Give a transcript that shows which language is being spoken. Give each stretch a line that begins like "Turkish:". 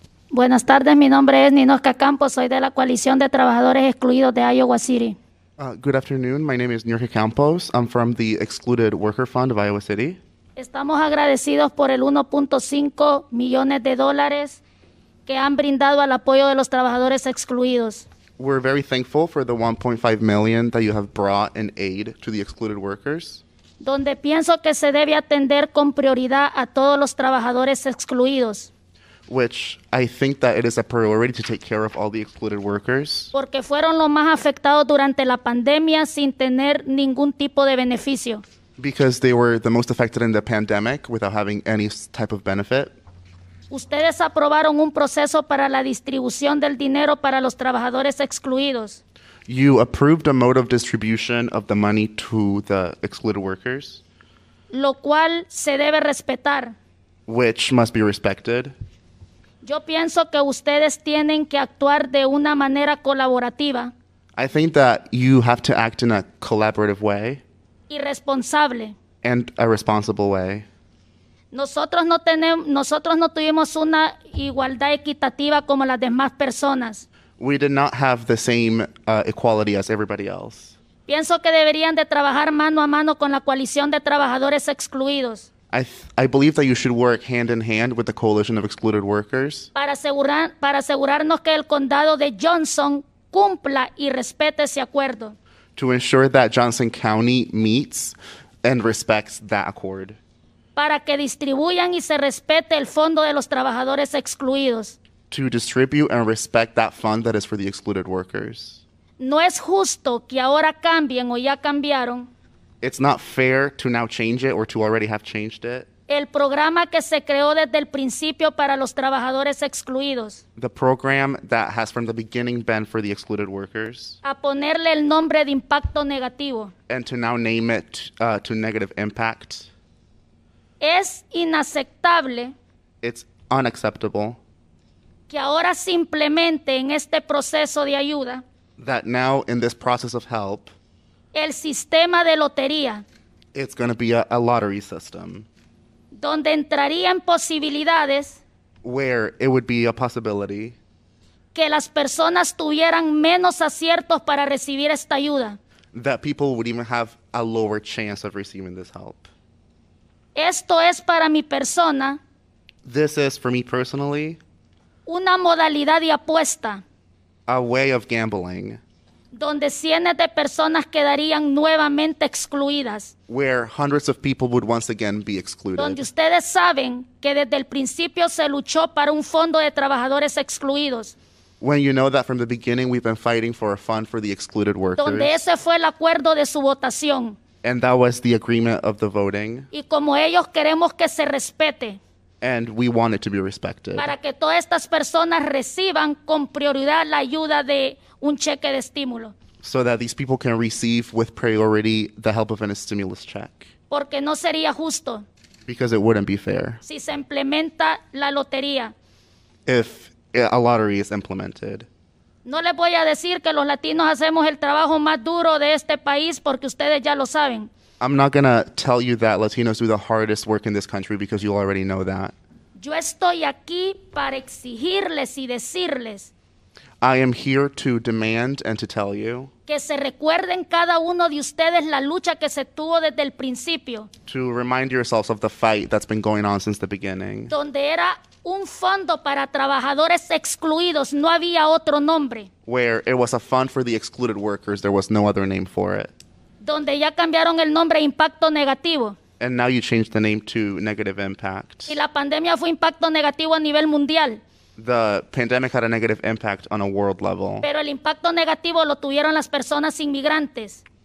Spanish: Buenas tardes, mi nombre es Ninoska Campos, soy de la coalición de trabajadores excluidos de Iowa City.
English: Good afternoon, my name is Ninoska Campos, I'm from the Excluded Worker Fund of Iowa City.
Spanish: Estamos agradecidos por el 1.5 millones de dólares que han brindado al apoyo de los trabajadores excluidos.
English: We're very thankful for the 1.5 million that you have brought in aid to the excluded workers.
Spanish: Donde pienso que se debe atender con prioridad a todos los trabajadores excluidos.
English: Which I think that it is a priority to take care of all the excluded workers.
Spanish: Porque fueron los más afectados durante la pandemia sin tener ningún tipo de beneficio.
English: Because they were the most affected in the pandemic without having any type of benefit.
Spanish: Ustedes aprobaron un proceso para la distribución del dinero para los trabajadores excluidos.
English: You approved a mode of distribution of the money to the excluded workers.
Spanish: Lo cual se debe respetar.
English: Which must be respected.
Spanish: Yo pienso que ustedes tienen que actuar de una manera colaborativa.
English: I think that you have to act in a collaborative way.
Spanish: Y responsable.
English: And a responsible way.
Spanish: Nosotros no tuvimos una igualdad equitativa como las demás personas.
English: We did not have the same equality as everybody else.
Spanish: Pienso que deberían de trabajar mano a mano con la coalición de trabajadores excluidos.
English: I believe that you should work hand in hand with the Coalition of Excluded Workers.
Spanish: Para asegurarnos que el condado de Johnson cumpla y respete ese acuerdo.
English: To ensure that Johnson County meets and respects that accord.
Spanish: Para que distribuyan y se respete el fondo de los trabajadores excluidos.
English: To distribute and respect that fund that is for the excluded workers.
Spanish: No es justo que ahora cambien o ya cambiaron.
English: It's not fair to now change it or to already have changed it.
Spanish: El programa que se creó desde el principio para los trabajadores excluidos.
English: The program that has from the beginning been for the excluded workers.
Spanish: A ponerle el nombre de impacto negativo.
English: And to now name it to negative impact.
Spanish: Es inaceptable.
English: It's unacceptable.
Spanish: Que ahora simplemente en este proceso de ayuda.
English: That now in this process of help.
Spanish: El sistema de lotería.
English: It's going to be a lottery system.
Spanish: Donde entraría en posibilidades.
English: Where it would be a possibility.
Spanish: Que las personas tuvieran menos aciertos para recibir esta ayuda.
English: That people would even have a lower chance of receiving this help.
Spanish: Esto es para mi persona.
English: This is for me personally.
Spanish: Una modalidad de apuesta.
English: A way of gambling.
Spanish: Donde cientos de personas quedarían nuevamente excluidas.
English: Where hundreds of people would once again be excluded.
Spanish: Donde ustedes saben que desde el principio se luchó para un fondo de trabajadores excluidos.
English: When you know that from the beginning we've been fighting for a fund for the excluded workers.
Spanish: Donde ese fue el acuerdo de su votación.
English: And that was the agreement of the voting.
Spanish: Y como ellos queremos que se respete.
English: And we want it to be respected.
Spanish: Para que todas estas personas reciban con prioridad la ayuda de un cheque de estímulo.
English: So that these people can receive with priority the help of a stimulus check.
Spanish: Porque no sería justo.
English: Because it wouldn't be fair.
Spanish: Si se implementa la lotería.
English: If a lottery is implemented.
Spanish: No les voy a decir que los latinos hacemos el trabajo más duro de este país porque ustedes ya lo saben.
English: I'm not going to tell you that Latinos do the hardest work in this country because you already know that.
Spanish: Yo estoy aquí para exigirles y decirles.
English: I am here to demand and to tell you.
Spanish: Que se recuerden cada uno de ustedes la lucha que se tuvo desde el principio.
English: To remind yourselves of the fight that's been going on since the beginning.
Spanish: Donde era un fondo para trabajadores excluidos, no había otro nombre.
English: Where it was a fund for the excluded workers, there was no other name for it.
Spanish: Donde ya cambiaron el nombre impacto negativo.
English: And now you changed the name to negative impact.
Spanish: Y la pandemia fue impacto negativo a nivel mundial.
English: The pandemic had a negative impact on a world level.
Spanish: Pero el impacto negativo lo tuvieron las personas inmigrantes.